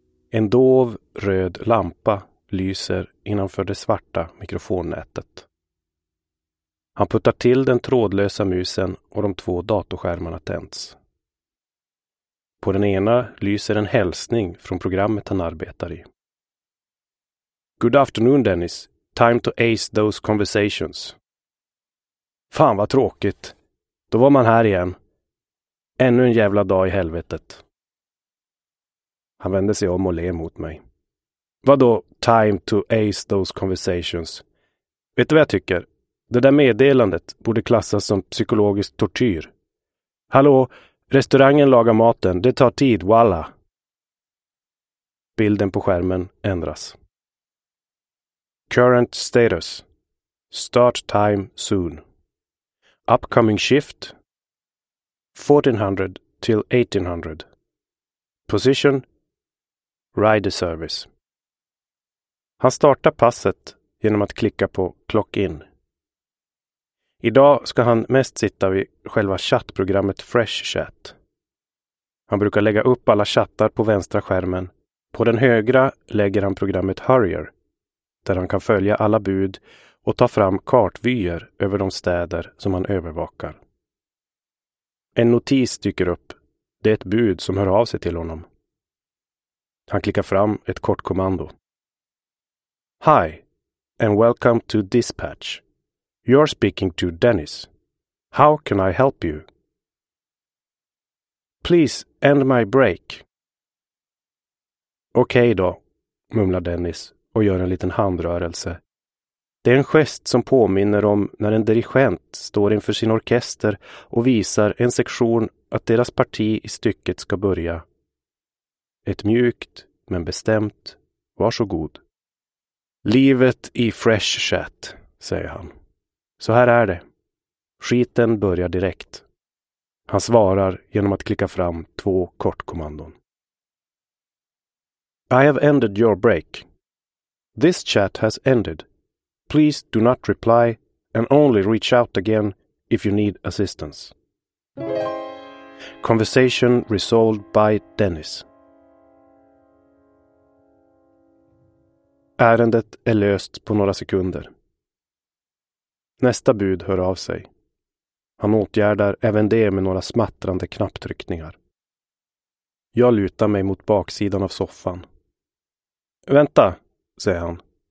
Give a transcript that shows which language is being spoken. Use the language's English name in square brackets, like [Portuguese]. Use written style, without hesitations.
[Swedish] En dov röd lampa lyser innanför det svarta mikrofonnätet. Han puttar till den trådlösa musen och de två datorskärmarna tänds. På den ena lyser en hälsning från programmet han arbetar i. [English] Good afternoon, Dennis. Time to ace those conversations. [Swedish] Fan vad tråkigt. Då var man här igen. Ännu en jävla dag i helvetet. Han vände sig om och ler mot mig. Vadå, [English] time to ace those conversations? [Swedish] Vet du vad jag tycker? Det där meddelandet borde klassas som psykologisk tortyr. Hallå, restaurangen lagar maten. Det tar tid, voilà. Bilden på skärmen ändras. [English] Current status. Start time soon. Upcoming shift. 1400 till 1800. Position. Rider service. [Swedish] Han startar passet genom att klicka på clock in. Idag ska han mest sitta vid själva chattprogrammet Fresh Chat. Han brukar lägga upp alla chattar på vänstra skärmen. På den högra lägger han programmet Hurrier, där han kan följa alla bud och ta fram kartvyer över de städer som han övervakar. En notis dyker upp. Det är ett bud som hör av sig till honom. Han klickar fram ett kort kommando. [English] Hi and welcome to dispatch. You're speaking to Dennis. How can I help you? Please end my break. [Swedish] Okej då, mumlar Dennis och gör en liten handrörelse. Det är en gest som påminner om när en dirigent står inför sin orkester och visar en sektion att deras parti i stycket ska börja. Ett mjukt men bestämt, varsågod. Livet i Fresh Chat, säger han. Så här är det. Skiten börjar direkt. Han svarar genom att klicka fram två kortkommandon. [English] I have ended your break. This chat has ended. Please do not reply and only reach out again if you need assistance. Conversation resolved by Dennis. [Swedish] Ärendet är löst på några sekunder. Nästa bud hör av sig. Han åtgärdar även det med några smattrande knapptryckningar. Jag lutar mig mot baksidan av soffan. Vänta, säger han.